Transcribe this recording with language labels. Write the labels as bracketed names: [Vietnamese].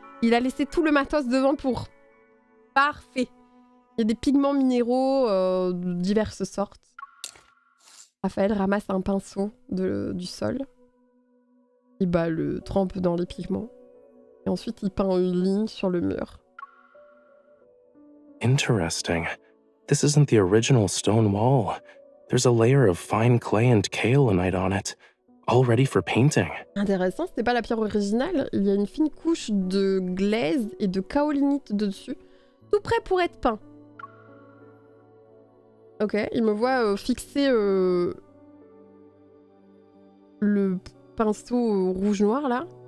[French] Il a laissé tout le matos devant pour. Parfait. Il y a des pigments minéraux de diverses sortes. Raphaël ramasse un pinceau du sol. Il le trempe dans les pigments. Et ensuite, il peint une ligne sur le mur. [English] Interesting. This isn't the original stone wall. There's a layer of fine clay and kaolinite on it. All ready for painting. [French] Intéressant, c'était pas la pierre originale. Il y a une fine couche de glaise et de kaolinite dessus, tout prêt pour être peint. Ok, il me voit fixer le pinceau rouge noir là.